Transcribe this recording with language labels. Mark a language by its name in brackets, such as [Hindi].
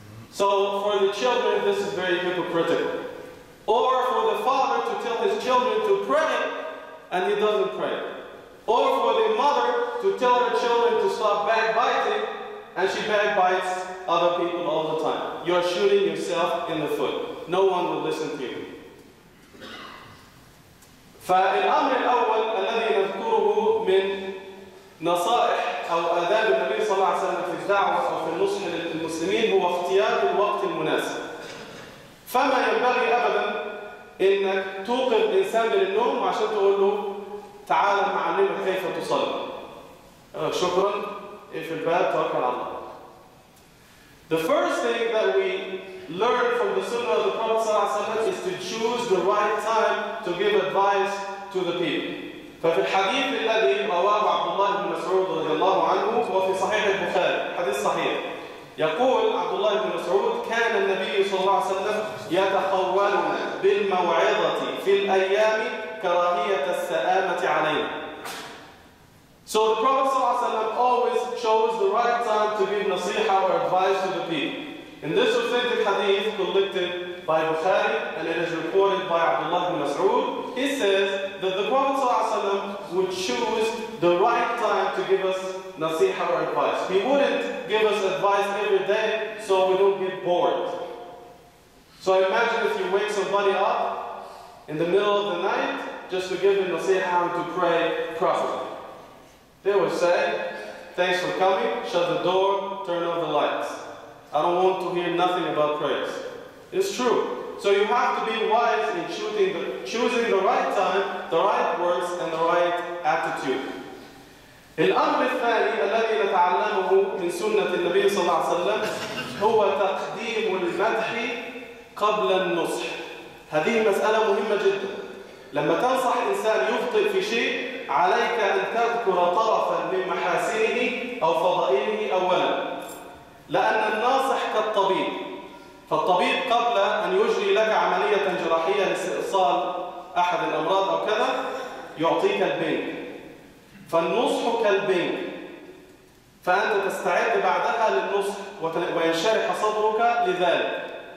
[English] So for the children, this is very hypocritical. Or for the father to tell his children to pray, and he doesn't pray. Or for the mother to tell her children to stop backbiting, and she backbites other people all the time. You're shooting yourself in the foot. No one will listen to you. [Arabic] فالأمر الأول الذي نذكره من نصائح أو آداب النبي صلى الله عليه وسلم في الدعوة أو في النصح للمسلمين هو اختيار الوقت المناسب. فما ينبغي أبدا إنك توقظ إنسان من النوم عشان تقول له تعالى نعلمك كيف تصلي. شكرا، اقفل الباب، توكل على الله. [English] The first thing that we learn from the Sunnah of the Prophet [Arabic] صلى الله عليه وسلم [English] is to choose the right time to give advice to the people. [Arabic] ففي الحديث الذي رواه عبد الله بن مسعود رضي الله عنه وفي صحيح البخاري، حديث صحيح، يقول عبد الله بن مسعود: كان النبي صلى الله عليه وسلم يتخولنا بالموعظة في الأيام كراهية السآمة علينا. [English] So the Prophet ﷺ always chose the right time to give nasiha or advice to the people. In this authentic hadith collected by Bukhari and it is reported by Abdullah ibn Mas'ud, he says that the Prophet ﷺ would choose the right time to give us nasiha or advice. He wouldn't give us advice every day so we don't get bored. So imagine if you wake somebody up in the middle of the night just to give him nasiha and to pray properly. They would say, thanks for coming, shut the door, turn off the lights. I don't want to hear nothing about prayers. It's true. So you have to be wise in choosing the right time, the right words, and the right attitude. [Arabic] الأمر الثاني الذي نتعلمه من سنة النبي صلى الله عليه وسلم هو تقديم المدح قبل النصح. هذه مسألة مهمة جدا. لما تنصح إنسان يخطئ في شيء عليك أن تذكر طرفاً من محاسنه أو فضائله أولاً، لأن الناصح كالطبيب، فالطبيب قبل أن يجري لك عملية جراحية لاستئصال أحد الأمراض أو كذا يعطيك البنك، فالنصح كالبنك، فأنت تستعد بعدها للنصح وينشرح صدرك لذلك.